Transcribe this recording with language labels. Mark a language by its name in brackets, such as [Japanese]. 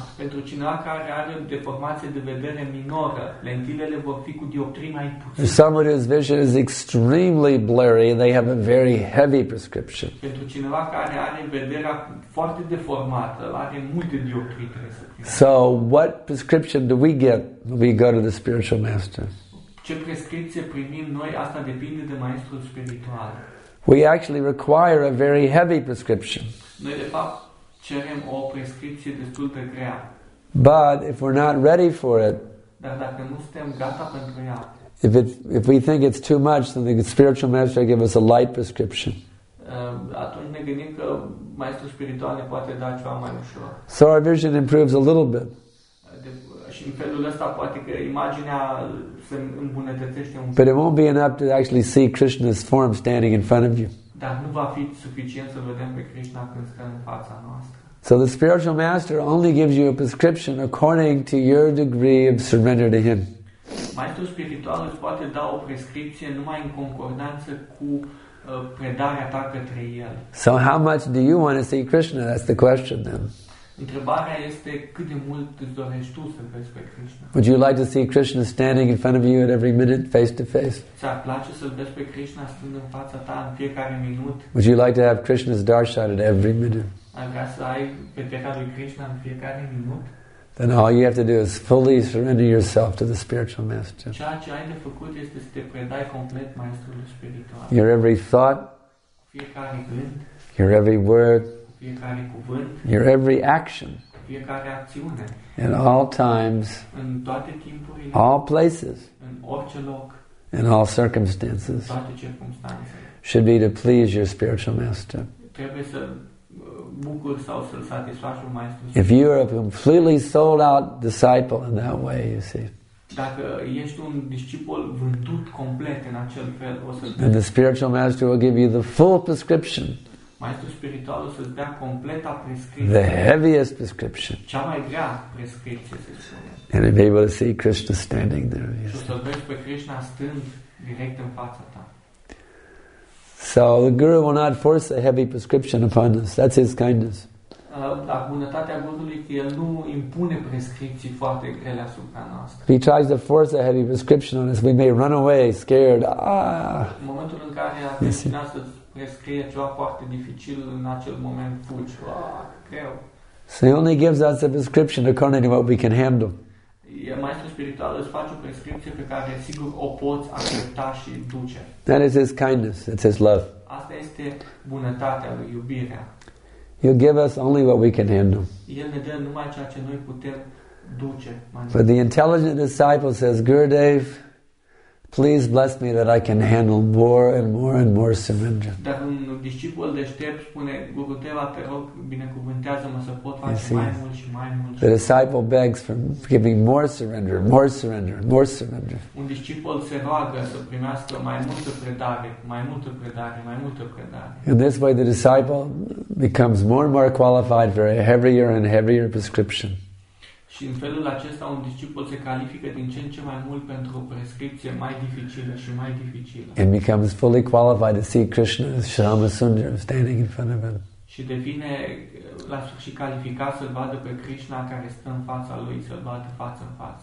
[Romanian] Pentru cineva care are deformație de vedere minoră, lentilele vor fi cu dioptrii mai puțin. [English] For someone whose vision is extremely blurry, they have a very heavy prescription. [Romanian] Pentru cineva care are vederea foarte deformată, are multe dioptrii trebuie să fie. [English] So, what prescription do we get when we go to the spiritual master? [Romanian] Ce prescripție primim noi, asta depinde de maestrul spiritual. [English] We actually require a very heavy prescription. [Romanian] Noi de fapt cerem o prescripție destul de grea. [English] But if we're not ready for it, [Romanian] dar dacă nu suntem gata pentru ea, [English] if we think it's too much, then the spiritual master gives us a light prescription. [Romanian] Atunci ne gândim că maestrul spiritual ne poate da ceva mai ușor. [English] So our vision improves a little bit. [Romanian] Și în felul ăsta poate că imaginea se îmbunătățește un pic. [English] But it won't be enough to actually see Krishna's form standing in front of you. [Romanian] Dar nu va fi suficient să vedem pe Krishna când stă în fața noastră. [English] So the spiritual master only gives you a prescription according to your degree of surrender to him. [Romanian] Maestrul spiritual îți poate da o prescripție numai în concordanță cu predarea ta către el. [English] So how much do you want to see Krishna? That's the question then. [Romanian] Întrebarea este cât de mult îți dorești tu să vezi pe Krishna. [English] Would you like to see Krishna standing in front of you at every minute, face to face? [Romanian] Ți-ar place să vezi pe Krishna stând în fața ta în fiecare minut? [English] Would you like to have Krishna's darshan at every minute? [Romanian] Ar vrea să ai vederea lui Krishna în fiecare minut? [English] Then all you have to do is fully surrender yourself to the spiritual master. [Romanian] Ceea ce ai de făcut este să te predai complet maestrului spiritual. [English] Your every thought, [Romanian] fiecare gând, [English] your every word, [Romanian] fiecare cuvânt, [English] your every action, [Romanian] fiecare acțiune, [English] in all times, [Romanian] în toate timpurile, [English] all places, [Romanian] în orice loc, [English] in all circumstances, [Romanian] în toate circumstanțe, [English] should be to please your spiritual master. [Romanian] Trebuie să bucur sau să-l satisfaci un maestru. [English] If you are a completely sold out disciple in that way, you see. [Romanian] Dacă ești un discipol vândut complet în acel fel, o să. [English] And the spiritual master will give you the full prescription. [Romanian] Maestrul spiritual o să-ți dea completa prescripție. [English] The heaviest prescription. [Romanian] Cea mai grea prescripție, se spune. [English] And you'll be able to see Krishna standing there. [Romanian] Și o să-l vezi pe Krishna stând direct în fața ta. [English] So the guru will not force a heavy prescription upon us. That's his kindness. [Romanian] Dar bunătatea Gurului că el nu impune prescripții foarte grele asupra noastră. [English] If he tries to force a heavy prescription on us, we may run away, scared. Ah. [Romanian] În momentul în care a destinat să-ți prescrie ceva foarte dificil, în acel moment fugi. Ah, greu. [English] So he only gives us a prescription according to what we can handle. [Romanian] Maestrul spiritual îți face o prescripție pe care sigur o poți accepta și duce. [English] That is his kindness, it's his love. [Romanian] Asta este bunătatea lui, iubirea. [English] He'll give us only what we can handle. [Romanian] El ne dă numai ceea ce noi putem duce. [English] But the intelligent disciple says, Gurudev, please bless me that I can handle more and more and more surrender. [Romanian] Dar un discipol deștept spune, Gurudeva, te rog, binecuvântează-mă să pot face mai mult și mai mult. [English] The disciple begs for giving more surrender, more surrender, more surrender. [Romanian] Un discipol se roagă să primească mai multă predare, mai multă predare, mai multă predare. [English] In this way, the disciple becomes more and more qualified for a heavier and heavier prescription. [Romanian] Și în felul acesta un discipol se califică din ce în ce mai mult pentru o prescripție mai dificilă și mai dificilă. [English] And becomes fully qualified to see Krishna as Shama Sundar standing in front of him. [Romanian] Și devine la sfârșit calificat să-l vadă pe Krishna care stă în fața lui, să-l vadă față în față.